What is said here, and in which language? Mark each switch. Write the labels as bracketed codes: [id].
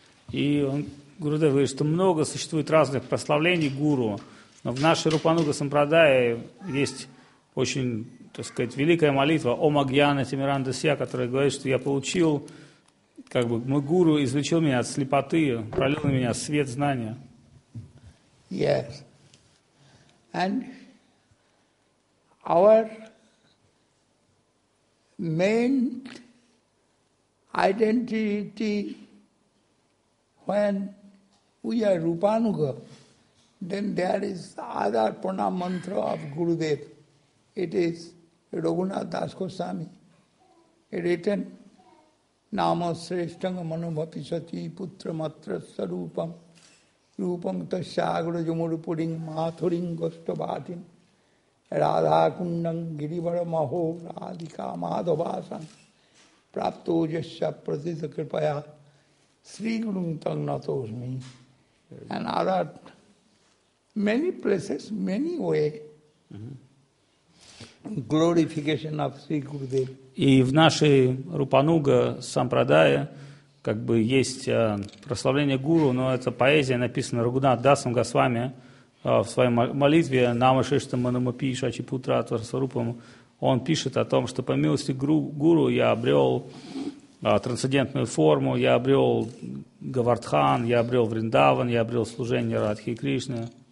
[ru] И он, Гурудев, говорит, что много существует разных прославлений гуру, но в нашей Рупануга Сампрадае есть очень, так сказать, великая молитва [sa] Ом Ажнана Тимирандхасья, [ru] которая говорит, что я получил, как бы, мой гуру излечил меня от слепоты, пролил на меня свет знания. [en] Yes. And our main identity when we are Rupanuga, then there is other pranam mantra of Gurudev. It is Raghunath Das Goswami, written [sa] Nama Sreshtanga Manubhapisati Putra Matra Sarupam. Rupam tasyagra jumurupurin mathurin gostabhatin radhakundang girivara maho radhika madhavasan prapto jasya pratita kripaya sri gurum tagnatosmi. [en] And other many places, many way glorification of Sri Gurudev. [ru] И в нашей Рупануга Сампрадая как бы есть прославление гуру, но это поэзия, написанная Рагунат Дасом Госвами в своей молитве [sa] «Нама Шишта Манама Пиша Чипутра Тварсарупам». [ru] Он пишет о том, что по милости гуру я обрел трансцендентную форму, я обрел Гавардхан, я обрел Вриндаван, я обрел служение Радхи Кришне.